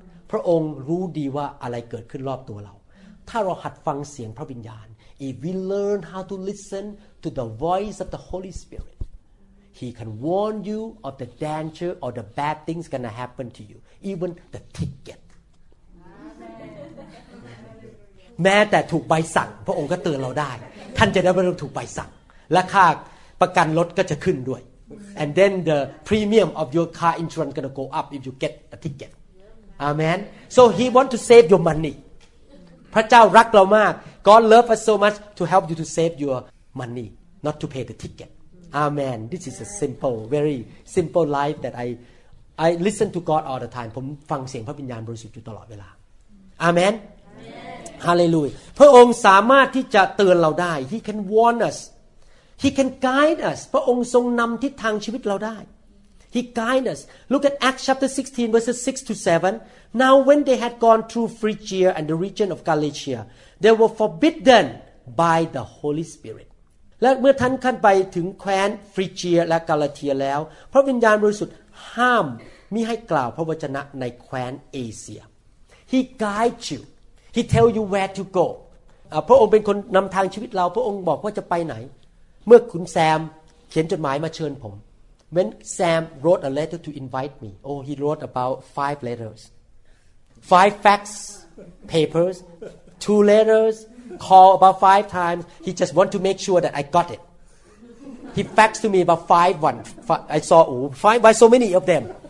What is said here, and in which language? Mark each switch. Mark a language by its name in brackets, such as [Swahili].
[Thai] พระองค์รู้ดีว่าอะไรเกิดขึ้นรอบตัวเราถ้าเราหัดฟังเสียงพระวิญญาณ [English] if we learn how to listen to the voice of the Holy Spirit, He can warn you of the danger or the bad things going to happen to you, even the ticket. [Thai] แม้แต่ถูกใบสั่งพระองค์ก็เตือนเราได้ท่านจะได้ไม่ต้องถูกใบสั่งและค่าประกันรถก็จะขึ้นด้วย [English] and then the premium of your car insurance gonna go up if you get a ticket amen so he want to save your money [Thai] พระเจ้ารักเรามาก [English] God love us so much to help you to save your money not to pay the ticket amen this is a simple very simple life that I listen to God all the time [Thai] ผมฟังเสียงพระวิญญาณบริสุทธิ์อยู่ตลอดเวลา [English] amen hallelujah [Thai] พระองค์สามารถที่จะเตือนเราได้ [English] he can warn usHe can guide us. [Thai] พระองค์ทรงนำทิศทางชีวิตเราได้ [English] He guide us. Look at Acts chapter 16 verses 6 to 7. Now when they had gone through Phrygia and the region of Galatia, they were forbidden by the Holy Spirit. [Thai] และเมื่อท่านขั้นไปถึงแคว้นฟริเจียและกาลาเทียแล้วพระวิญญาณบริสุทธิ์ห้ามมิให้กล่าวพระวจนะในแคว้นเอเชีย [English] He guides you. He tell you where to go. [Thai] พระองค์เป็นคนนำทางชีวิตเราพระองค์บอกว่าจะไปไหนเมื่อคุณแซมเขียนจดหมายมาเชิญผม [English] when Sam wrote a letter to invite me oh he wrote about 5 letters 5 fax papers 2 letters call about 5 times he just want to make sure that I got it he faxed to me about 5 one I saw oh five why so many of them